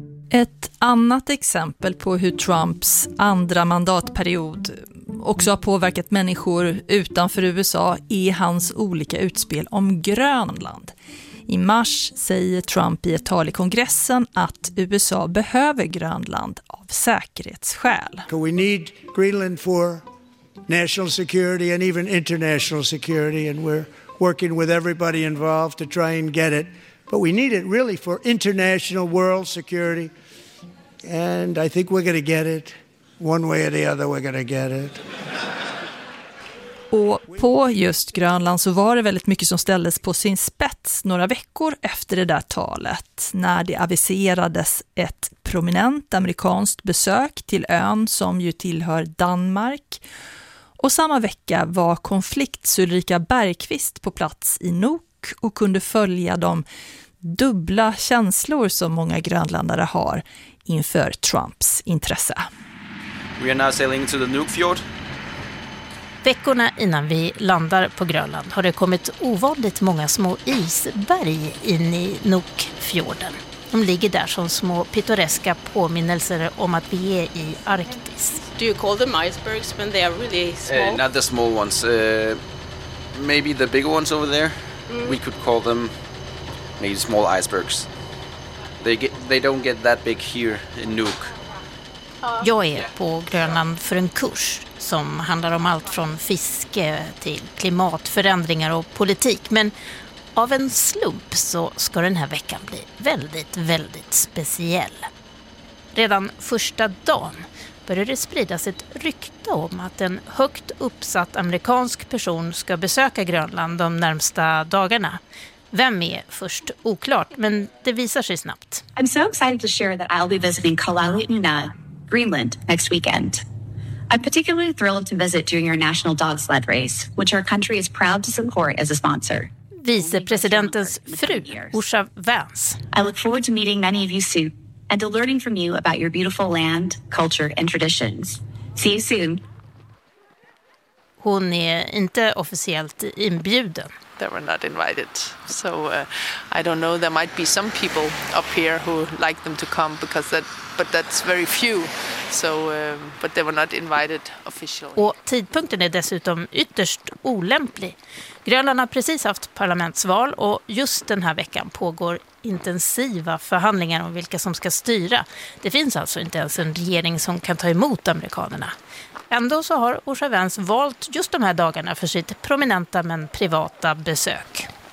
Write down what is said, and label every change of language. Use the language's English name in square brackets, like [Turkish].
[Swedish] Ett annat exempel på hur Trumps andra mandatperiod också har påverkat människor utanför USA är hans olika utspel om Grönland. I mars säger Trump i ett tal i kongressen att USA behöver Grönland av säkerhetsskäl. [English] We need Greenland for national security and even international security, and we're working with everybody involved to try and get it. But we need it really for international world security, and I think we're going to get it. One way or the other we're gonna get it. [Swedish] Och på just Grönland så var det väldigt mycket som ställdes på sin spets några veckor efter det där talet, när det aviserades ett prominent amerikanskt besök till ön som ju tillhör Danmark. Och samma vecka var konflikts Ulrika Bergqvist på plats i Nuuk och kunde följa de dubbla känslor som många grönländare har inför Trumps intresse. [English] We are now sailing to the Nuuk fjord. [Swedish] Veckorna innan vi landar på Grönland har det kommit ovanligt många små isberg in i Nuukfjorden. De ligger där som små pittoreska påminnelser om att vi är i Arktis. [English] Do you call them icebergs when they are really small? Not the small ones. Maybe the bigger ones over there. Mm. We could call them maybe small icebergs. They don't get that big here in Nuuk. [Swedish] Jag är på Grönland för en kurs som handlar om allt från fiske till klimatförändringar och politik. Men av en slump så ska den här veckan bli väldigt, väldigt speciell. Redan första dagen började det spridas ett rykte om att en högt uppsatt amerikansk person ska besöka Grönland de närmsta dagarna. Vem är först oklart, men det visar sig snabbt. [English] I'm so excited to share that I'll be visiting Kalaallit-Nunaat, Greenland, next weekend. I'm particularly thrilled to visit during your national dog sled race, which our country is proud to support as a sponsor. [Swedish] Vicepresidentens fru, Orsa Vance. [English] I look forward to meeting many of you soon and to learning from you about your beautiful land, culture and traditions. See you soon. [Swedish] Hon är inte officiellt inbjuden. [English] They were not invited. So I don't know, there might be some people up here who like them to come because that but that's very few. So but they were not invited officially. [Swedish] Och tidpunkten är dessutom ytterst olämplig. Grönland har precis haft parlamentsval och just den här veckan pågår intensiva förhandlingar om vilka som ska styra. Det finns alltså inte ens en regering som kan ta emot amerikanerna. Ändå så har Orsa Vance valt just de här dagarna för sitt prominenta men privata besök.